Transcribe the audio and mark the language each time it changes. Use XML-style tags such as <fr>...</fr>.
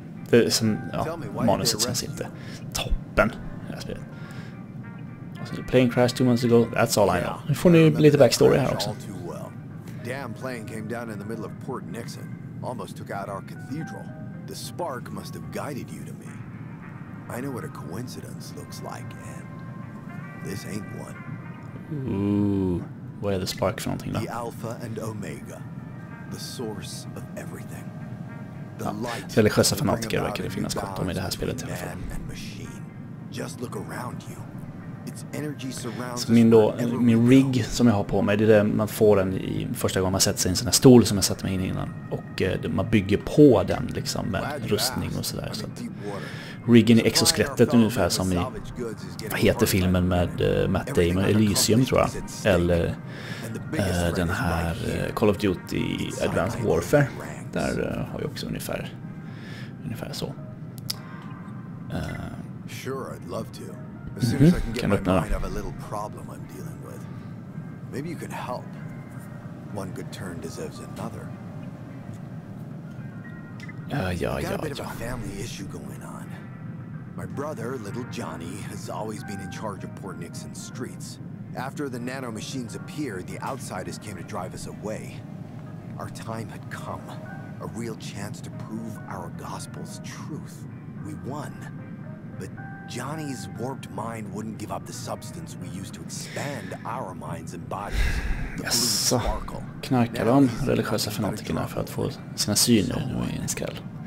<sv>Det är som, ja, manuset känns inte toppen. Alltså,</sv> <en>the plane crashed 2 months ago. That's all I know.</en> <sv>Nu får ni lite backstory här också.</sv> <en>Damn plane came down in the middle of Port Nixon. Almost took out our cathedral. The spark must have guided you to me. I know what a coincidence looks like, and this ain't one. Ooh, where the spark from something like the alpha and omega, the source of everything. The light.</en> <sv>Religiösa fanatiker verkar det finnas gott om i det här spelet i alla fall.</sv> <en>Just look around you. Its energy surrounds us.</en> <sv>Min rig som jag har på mig, det är det man får den i första gången man sätter sig i en sån här stol som jag satt mig in innan. Och man bygger på den liksom med rustning och sådär. Så riggen i exoskelettet ungefär som i, vad heter filmen med Matt Damon, Elysium tror jag. Eller den här Call of Duty Advanced Warfare. Där har jag också ungefär så.</sv> <en>Sure, I'd love to. As soon as I can get my mind, a little problem I'm dealing with. Maybe you can help. One good turn deserves another. Got a bit of a family issue going on. My brother, little Johnny, has always been in charge of Port Nixon's streets. After the nanomachines appeared, the outsiders came to drive us away. Our time had come. A real chance to prove our gospel's truth. We won. But Johnny's warped mind wouldn't give up the substance we used to expand our minds and bodies. The blue sparkle.</en> <sv>Knarkar de religiösa fanatikerna för att få sina syner nu i en skall.</sv>